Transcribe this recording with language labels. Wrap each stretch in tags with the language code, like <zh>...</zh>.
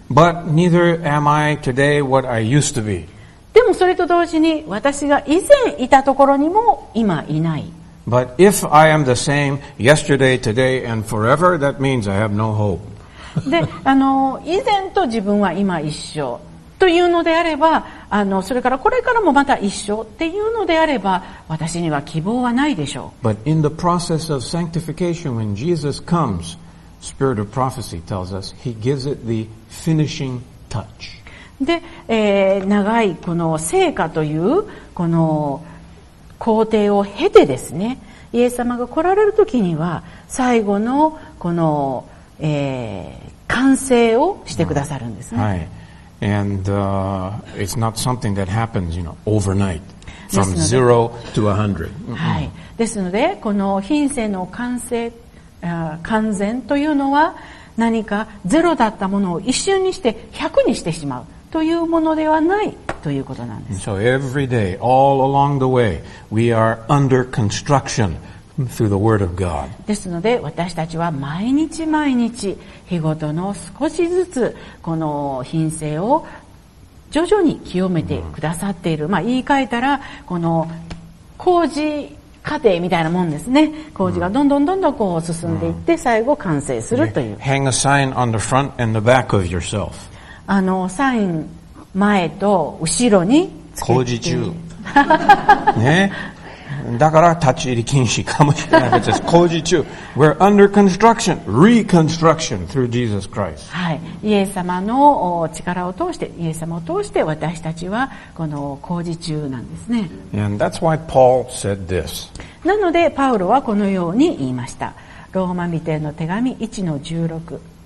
<en>But neither am I today what I used to be.</en> <ja>でもそれと同時に私が以前いたところにも今いない。</ja> <en>But if I am the same yesterday, today, and forever, that means I have no hope.</en> <ja>で、以前と自分は今一緒というのであれば、それからこれからもまた一緒っていうのであれば、私には希望はないでしょう。</ja> <en>But in the process of sanctification, when Jesus comes, Spirit of prophecy tells us he gives it the finishing touch.</en> <ja>で、長いこの聖化というこの工程を経てですね、イエス様が来られるときには最後のこの完成をしてくださるんですね。はい。</ja> <en>And, it's not something that happens, you know, overnight. From zero to a hundred.</en> <ja>はい。ですので、この品性の完成、完全というのは何かゼロだったものを一瞬にして100にしてしまうというものではないということなんです。</ja> <en>So every day, all along the way, we are under construction. Through the word of God.</en> <ja>ですので私たちは毎日毎日日ごとの少しずつこの品性を徐々に清めてくださっている、まあ、言い換えたらこの工事過程みたいなもんですね。工事がどんどんどんどんこう進んでいって最後完成するという。 Hang a sign on the front and the back of yourself. あのサイン前と後ろに工事中ねえ、だから立ち入り禁止かもしれないです。工事中。</ja> <en>We're under construction, reconstruction through Jesus Christ.</en> <ja>はい。イエス様の力を通して、イエス様を通して私たちはこの工事中なんですね。</ja> <en>And that's why Paul said this.</en> <ja>なので、パウロはこのように言いました。ローマ人への手紙 1-16。</ja>